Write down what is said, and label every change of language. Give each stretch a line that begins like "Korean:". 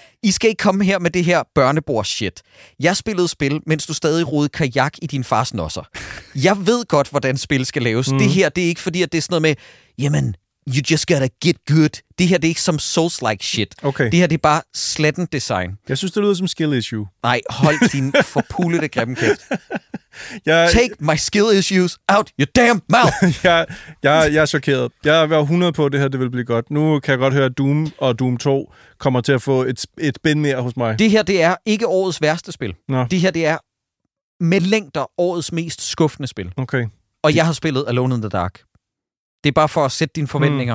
Danish: I skal ikke komme her med det her børnebordshit. Jeg spillede spil, mens du stadig rodede kajak i din fars nosser. Jeg ved godt, hvordan spil skal laves. Mm. Det her, det er ikke fordi, at det er sådan noget med, jamen,
English: you just gotta get good.
Danish: Det her, det er ikke som Souls-like shit. Okay. Det her, det er bare slatten design. Jeg synes, det lyder som skill issue. Nej, hold din forpulede grimme kæft.
English: Take my skill issues out your damn mouth.
Danish: jeg er chokeret. Jeg er 100 på, at det her, det vil blive godt. Nu kan jeg godt høre, at Doom og Doom 2 kommer til at få et spin mere hos mig. Det her, det er ikke årets værste spil. Nå. Det her, det er med længder årets mest skuffende spil. Okay. Og jeg har spillet Alone in the Dark. Det er bare for at sætte dine forventninger.